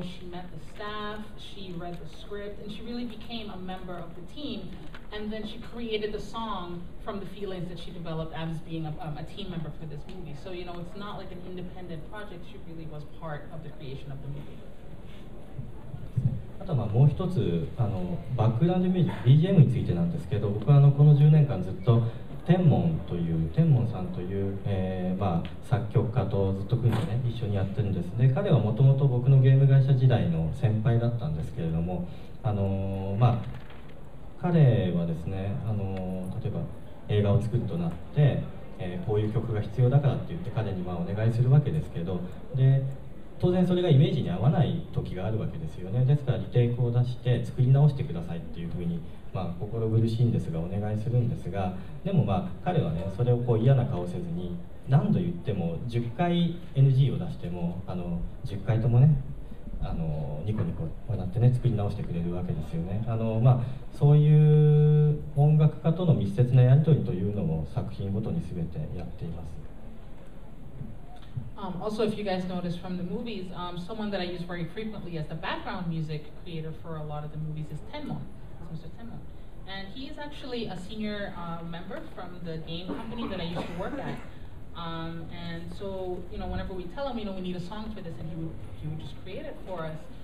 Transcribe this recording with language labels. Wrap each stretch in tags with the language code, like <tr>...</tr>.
<en>She met the staff, she read the script, and she really became a member of the team. And then she created the song from the feelings that she developed as being a team member for this movie. So, you know, it's not like an independent project. She really was part of the creation of the movie.</en> <ja>あとはもう一つ、あのバックグラウンドミュージック BGM についてなんですけど、僕はあのこの10年間ずっと天文さんという、まあ、作曲家とずっと組んで、ね、一緒にやってるんです。で彼はもともと僕のゲーム会社時代の先輩だったんですけれども、まあ、彼はですね、例えば映画を作るとなって、こういう曲が必要だからって言って彼にまあお願いするわけですけど、で当然それがイメージに合わない時があるわけですよね。ですからリテイクを出して作り直してくださいっていうふうに、まあ、心苦しいんですがお願いするんですが、でもまあ彼はね、それをこう嫌な顔せずに何度言っても10回 NG を出しても、あの10回ともね、あのニコニコ笑ってね、作り直してくれるわけですよね。あの、まあ、そういう音楽家との密接なやり取りというのも作品ごとに全てやっています。</ja> <en>Also, if you guys notice from the movies, someone that I use very frequently as the background music creator for a lot of the movies is Tenmon, Mr. Tenmon. And he is actually a senior member from the game company that I used to work at. And so, you know, whenever we tell him, you know, we need a song for this, and he would just create it for us.</en>